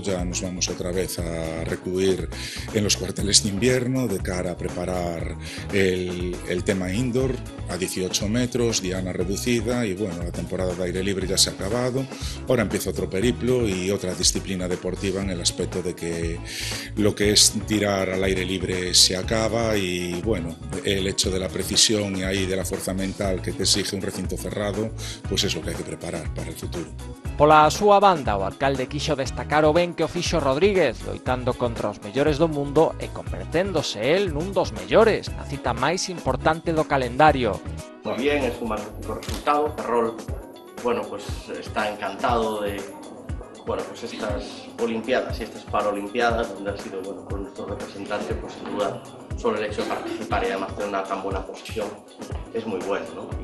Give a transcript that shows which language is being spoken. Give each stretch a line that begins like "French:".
Spanish: Ya nos vamos otra vez a recluir en los cuarteles de invierno de cara a preparar el tema indoor a 18 metros, diana reducida y bueno, la temporada de aire libre ya se ha acabado. Ahora empieza otro periplo y otra disciplina deportiva en el aspecto de que lo que es tirar al aire libre se acaba y bueno, el hecho de la precisión y ahí de la fuerza mental que te exige un recinto cerrado, pues eso que hay que preparar para el futuro.
Galician: Pola súa banda, o alcalde quixo destacar o ben que o fixo Rodríguez, loitando contra os mellores do mundo e converténdose él nun dos mellores, na cita máis importante do calendario.
Spanish: Pues bien, es un magnífico resultado. Ferrol, bueno, pues está encantado de, bueno, pues estas Olimpiadas y estas Paralimpiadas, donde ha sido, bueno, con nuestro representante, pues sin duda, solo el hecho de participar y además tener una tan buena posición es muy bueno, ¿no?